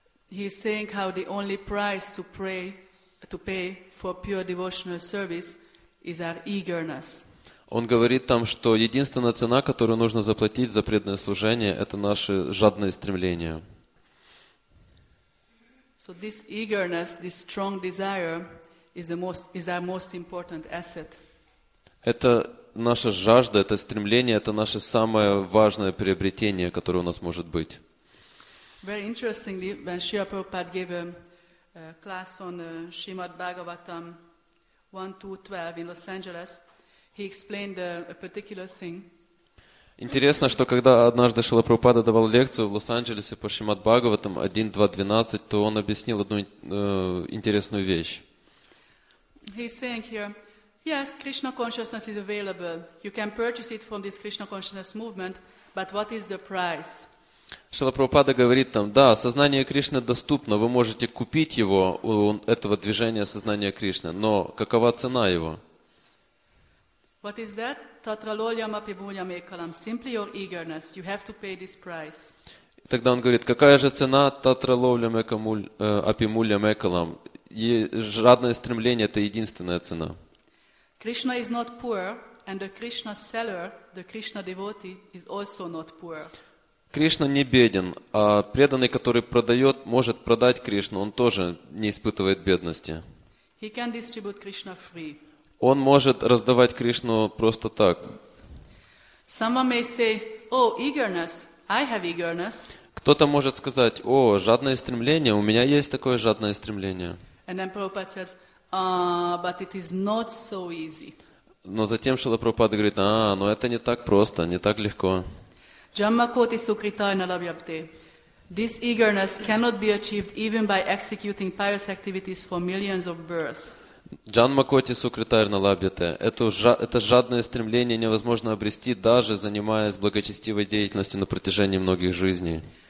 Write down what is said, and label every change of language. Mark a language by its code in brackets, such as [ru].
[en] He is saying how the only price to pray, to pay for pure devotional service is our eagerness. [ru] Он говорит там, что единственная цена, которую нужно заплатить за преданное служение – это наши жадные стремления. So this eagerness, this strong desire is the most, is our most important asset. Это наша жажда, это стремление, это наше самое важное приобретение, которое у нас может быть. Интересно, что когда однажды Шрила Прабхупада давал лекцию в Лос-Анджелесе по Шримад Бхагаватам 1.2.12, то он объяснил одну интересную вещь. Он говорит здесь, [en] yes, Krishna consciousness is available. You can purchase it from this Krishna consciousness movement, but what is the price? [ru] Шрила Прабхупада говорит там, да, сознание Кришны доступно, вы можете купить его, у этого движения сознания Кришны, но какова цена его? [en] What is that? [sa] Tatraloliam api bhulyam ekalam. [en] Simply your eagerness. You have to pay this price. [ru] Тогда он говорит, какая же цена татраловлям api mulyam ekalam? Жадное стремление – это единственная цена. [en] Krishna is not poor, and the Krishna seller, the Krishna devotee, is also not poor. [ru] Кришна не беден, а преданный, который продает, может продать Кришну, он тоже не испытывает бедности. [en] He can distribute Krishna free. [ru] Он может раздавать Кришну просто так. [en] Someone may say, oh, eagerness, I have eagerness. [ru] Кто-то может сказать, о, жадное стремление, у меня есть такое жадное стремление. [en] And then Prabhupada says, but it is not so easy. [ru] Но затем Шрила Прабхупада говорит, а, но это не так просто, не так легко. [sa] Jammakoti sukritai nalabhyapte. [en] This eagerness cannot be achieved even by executing pious activities for millions of births. [sa] Jammakoti sukritai nalabhyapte. [ru] Это жадное стремление невозможно обрести, даже занимаясь благочестивой деятельностью на протяжении многих жизней.